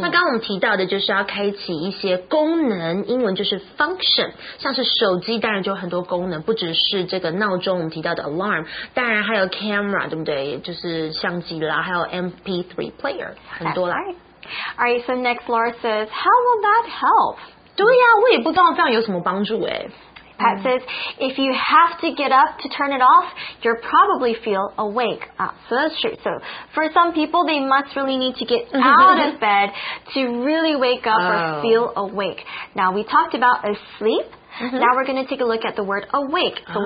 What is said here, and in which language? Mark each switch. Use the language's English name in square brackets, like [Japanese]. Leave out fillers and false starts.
[Chinese] 那刚刚我们提到的就是要开启一些功能，英文就是 function, 像是手机当然就有很多功能，不只是这个闹钟我们提到的 alarm, 当然还有 camera, 对不对，就是相机啦，还有 MP3 player, 很多啦。 [English] Alright, so next Laura says, how will that help? [Chinese] 对呀、啊、我也不知道这样有什么帮助耶。 [English] Pat says, if you have to get up to turn it off, you'll probably feel awake.、Ah, so that's true. So for some people, they must really need to get out of bed to really wake up、oh. or feel awake. Now, we talked about asleep. Mm-hmm. Now we're going to take a look at the word awake. So、oh.